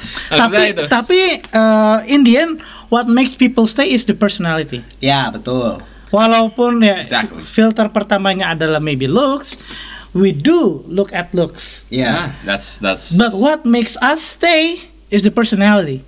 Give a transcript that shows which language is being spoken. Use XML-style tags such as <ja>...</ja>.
<en>Tapi in the end, what makes people stay is the personality.</en> <id>Ya yeah, betul. Walaupun ya exactly. Filter pertamanya adalah maybe looks.</id> <en>We do look at looks. Yeah, that's. But what makes us stay is the personality.</en>